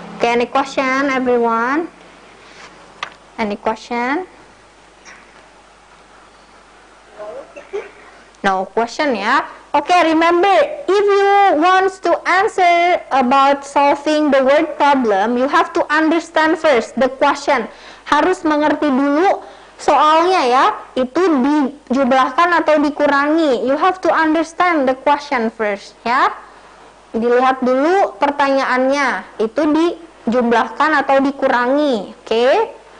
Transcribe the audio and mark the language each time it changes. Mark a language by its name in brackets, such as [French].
[English] Okay, any question, everyone? Any question? No question, yeah. Okay, remember, if you want to answer about solving the word problem, you have to understand first the question. [Indonesian] Harus mengerti dulu soalnya ya, itu dijumlahkan atau dikurangi. [English] You have to understand the question first, ya. Yeah? [Indonesian] Dilihat dulu pertanyaannya, itu dijumlahkan atau dikurangi, okay?